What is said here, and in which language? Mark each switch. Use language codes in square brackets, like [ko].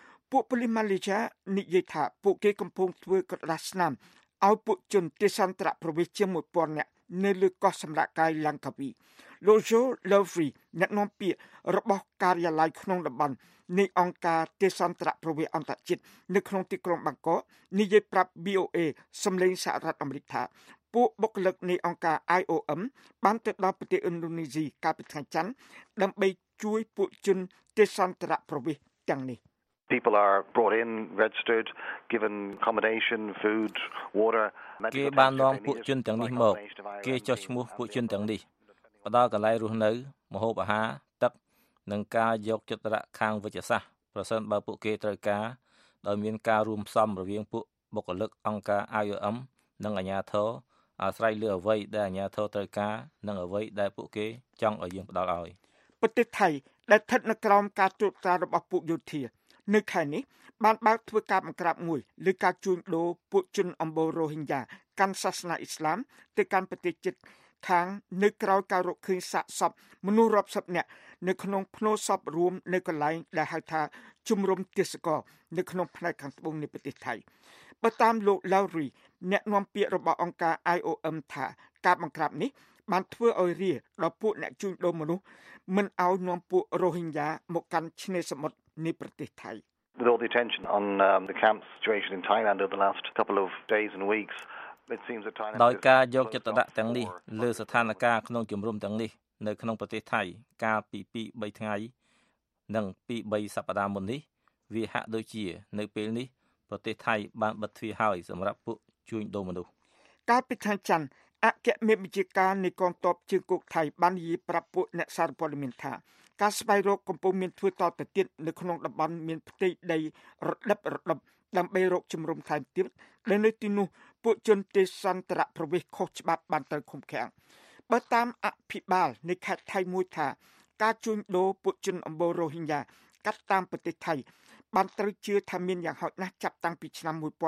[km] ពួកប៉ូលីសម៉ាឡេស៊ីនិយាយថាពួកគេកំពុងធ្វើក្រដាស់ស្នាមឲ្យពួកជនទេសន្ត្រប្រវេសជាង 1,000 នាក់នៅលើកោះសម្រាកកាយឡង់កាវីលោកជូលូវ្វីអ្នកនាំពាក្យរបស់ការិយាល័យក្នុងតំបន់នៃអង្គការទេសន្ត្រប្រវេសអន្តរជាតិនៅក្នុងទីក្រុងបាងកកនិយាយប្រាប់ BOA សម្លេងសហរដ្ឋអាមេរិកថាពួកបុគ្គលិកនៃអង្គការ IOM បានទៅដល់ប្រទេសឥណ្ឌូនេស៊ីកាលពីថ្ងៃច័ន្ទដើម្បីជួយពួកជនទេសន្ត្រប្រវេសទាំងនេះ [en] People are brought in, registered, given accommodation, food, water. [km] គេបាននាំពួកជនទាំងនេះមកគេចុះឈ្មោះពួកជនទាំងនេះផ្ដល់កន្លែងរស់នៅម្ហូបអាហារទឹកនិងការយកចិត្តរៈខាងវិជ្ជសាស្ត្រប្រសិនបើពួកគេត្រូវការដោយមានការរួមផ្សំរវាងពួកបុគ្គលិកអង្គការ IOM និងអាជ្ញាធរអាស្រ័យលើអ្វីដែលអាជ្ញាធរត្រូវការនិងអ្វីដែលពួកគេចង់ឲ្យយើងផ្ដល់ឲ្យ ប្រទេសថៃដែលស្ថិតនៅក្រោមការត្រួតត្រារបស់ពួកយោធានៅខែនេះបានបើកធ្វើការបង្ក្រាបមួយលើការជួញដូរពួកជនអំបូររ៉ូហីញ៉ាកាន់សាសនាអ៊ីស្លាមទៅកាន់ប្រទេសជិតខាងនៅក្រៅការរកឃើញសាកសពមនុស្សរាប់សិបនាក់នៅក្នុងភ្នូសពរួមនៅកន្លែងដែលហៅថាជំរំទេសកលនៅក្នុងផ្នែកខាងត្បូងនៃប្រទេសថៃ បើតាមលោកឡៅរីអ្នកនាំពាក្យរបស់អង្គការ IOM ថាការបង្ក្រាបនេះបានធ្វើឲ្យរីដល់ពួកអ្នកជួញដូរមនុស្សមិនឲ្យនាំពួករ៉ូហីញ៉ាមកកាន់ឆ្នេរសមុទ្រនៃប្រទេសថៃ [en] With all the attention on the camp situation in Thailand over the last couple of days and weeks it seems that Thailand [km] ដោយការយកចិត្តដាក់ទាំងនេះលើស្ថានភាពក្នុងជំរំទាំងនេះនៅក្នុងប្រទេសថៃកាលពី2-3ថ្ងៃនិង2-3សប្តាហ៍មុននេះវាហាក់ដូចជានៅពេលនេះប្រទេសថៃបានបិទទ្វារហើយសម្រាប់ពួកជួញដូរមនុស្ស កាលពីខែច័ន្ទអគ្គមេបញ្ជាការនៃកងទ័ពជើងគោកថៃបាននិយាយប្រាប់ពួកអ្នកសារព័ត៌មានថាការស្វែងរកកំពុងមានធ្វើតទៅទៀតនៅក្នុងតំបន់មានផ្ទៃដីរដឹបរដឹបដើម្បីរកជំរំថែមទៀតដែលនៅទីនោះពួកជនទេសន្ត្រប្រវេសខុសច្បាប់បានត្រូវឃុំឃាំងបើតាមអភិបាលនៃខេត្តថៃមួយថាការជួញដូរពួកជនអំបូររ៉ូហីញ៉ាកាត់តាមប្រទេសថៃបានត្រូវជឿថាមានយ៉ាងហោចណាស់ចាប់តាំងពីឆ្នាំ1998ម